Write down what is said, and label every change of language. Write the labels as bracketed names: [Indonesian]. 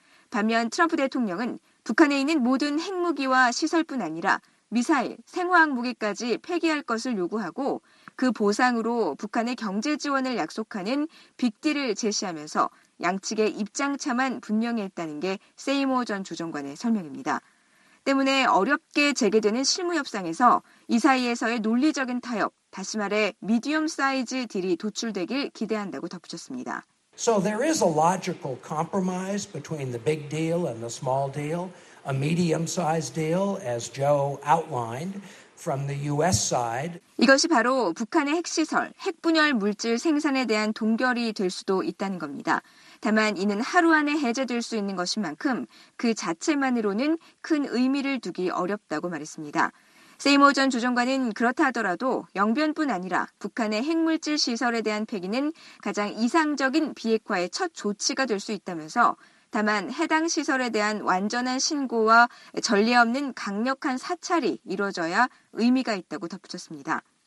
[Korean] 반면 트럼프 대통령은 북한에 있는 모든 핵무기와 시설뿐 아니라 미사일, 생화학 무기까지 폐기할 것을 요구하고 그 보상으로 북한의 경제 지원을 약속하는 빅딜을 제시하면서 양측의 입장차만 분명했다는 게 세이모어 전 조정관의 설명입니다. 때문에 어렵게 재개되는 실무협상에서 이 사이에서의 논리적인 타협, 다시 말해 미디엄 사이즈 딜이 도출되길 기대한다고 덧붙였습니다. [English] So there is a logical compromise between the big deal and the small deal, a medium-sized deal, as Joe outlined, from the U.S. side. [Korean] 이것이 바로 북한의 핵시설, 핵분열 물질 생산에 대한 동결이 될 수도 있다는 겁니다. 다만 이는 하루 안에 해제될 수 있는 것인 만큼 그 자체만으로는 큰 의미를 두기 어렵다고 말했습니다. 세이모어 전 조정관은 그렇다 하더라도 영변뿐 아니라 북한의 핵물질 시설에 대한 폐기는 가장 이상적인 비핵화의 첫 조치가 될 수 있다면서 다만 해당 시설에 대한 완전한 신고와 전례 없는 강력한 사찰이 이뤄져야 의미가 있다고 덧붙였습니다.